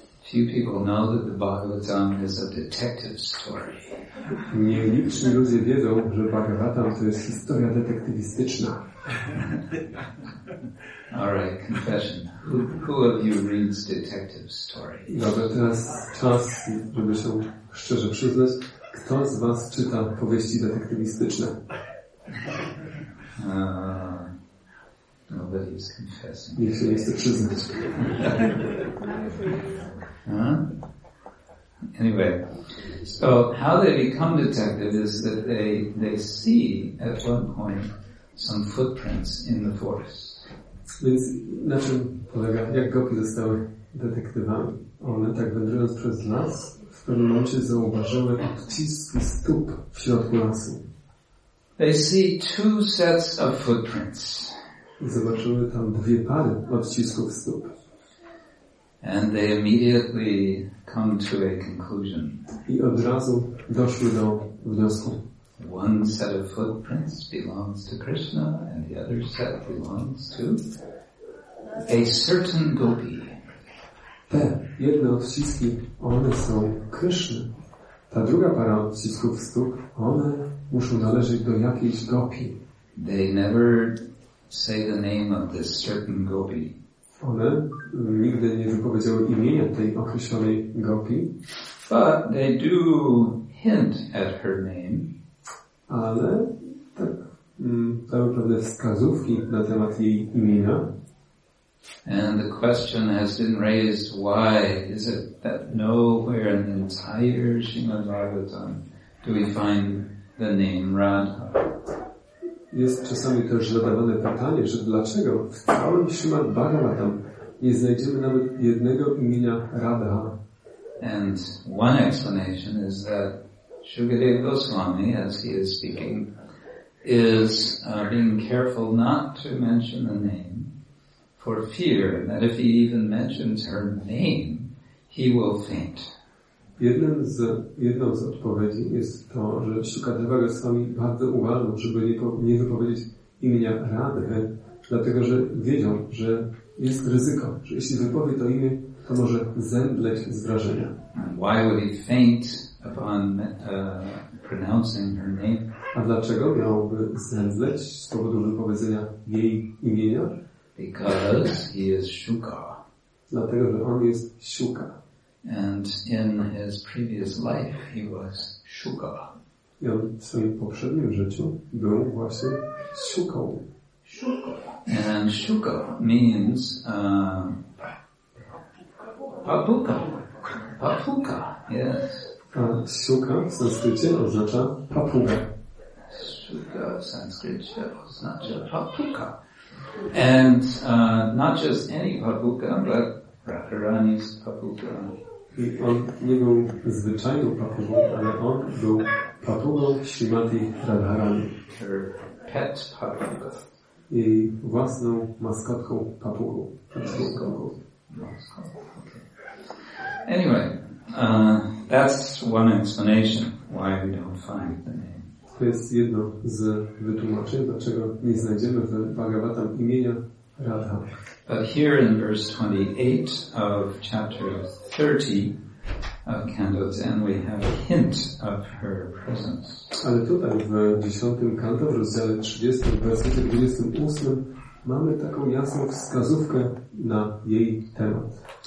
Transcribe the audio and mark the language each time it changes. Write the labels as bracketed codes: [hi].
[en] Few people know that the Bhagavatam is a detective story. [pl] Nieliczni ludzie wiedzą, że Bhagavatam to jest historia detektywistyczna. [en] All right, confession. Who of you reads detective story? [pl] Dobra, teraz czas, żeby się szczerze przyznać. Kto z was czyta powieści detektywistyczne? [en] Nobody is confessing. [pl] Niech się nie chce przyznać. [en] Anyway, so how they become detective is that they see at one point some footprints in the forest. [pl] Więc na czym polega, jak gopi zostały detektywami? One tak wędrując przez las, w pewnym momencie zauważyły odciski stóp w środku lasu. [en] They see two sets of footprints. [pl] Zobaczyły tam dwie pary odcisków stóp. [en] And they immediately come to a conclusion. [pl] I od razu doszły do wniosku. [en] One set of footprints belongs to Krishna and the other set belongs to a certain gopi. [pl] Te jedne odciski, one są Krishna. Ta druga para odcisków stóp, one muszą należeć do jakiejś gopi. [en] They never say the name of this certain gopi. [pl] One nigdy nie wypowiedziały imienia tej określonej gopi. [en] But they do hint at her name. [pl] Ale tak, dają pewne wskazówki na temat jej imienia. [en] And the question has been raised, why is it that nowhere in the entire Srimad Bhagavatam do we find the name Radha? [pl] Jest czasami też zadawane pytanie, że dlaczego w całym Srimad Bhagavatam nie znajdziemy nawet jednego imienia Radha? [en] And one explanation is that Shukadeva Goswami, as he is speaking, is being careful not to mention the name, for fear that if he even mentions her name, he will faint. [pl] Jedną z odpowiedzi jest to, że Shukadeva Goswami bardzo uważał, żeby nie wypowiedzieć imienia Radhy, dlatego że wiedział, że jest ryzyko, że jeśli wypowie to imię, to może zemdleć z wrażenia. [en] And why would he faint upon pronouncing her name? [pl] A dlaczego miałby zemdleć z powodu wypowiedzenia jej imienia? [en] Because he is Shuka. [pl] Dlatego, że on jest Shuka. [en] And in his previous life he was Shuka. [pl] I on w swoim poprzednim życiu był właśnie Shuką. [en] Shuka. And Shuka means papuka. Papuka, yes. [pl] A Shuka w sanskrycie oznacza papuga. Shuka w sanskrycie oznacza papuka. [en] And not just any papuka, but Radharani's papuka. [pl] I on nie był zwyczajną papugą, ale on był papugą Śrimati Radharani. [en] Her pet papuga. [pl] I własną maskotką papugą. Maskotką. [en] Anyway, that's one explanation why we don't find the name. [pl] To jest jedno z wytłumaczeń, dlaczego nie znajdziemy w Bhagavatam imienia Radha. [en] But here in verse 28 of chapter 30 of Canto 10 we have a hint of her presence. [pl] Ale tutaj w 10 kanto, w rozdziale 30, wersecie 28 mamy taką jasną wskazówkę na jej temat.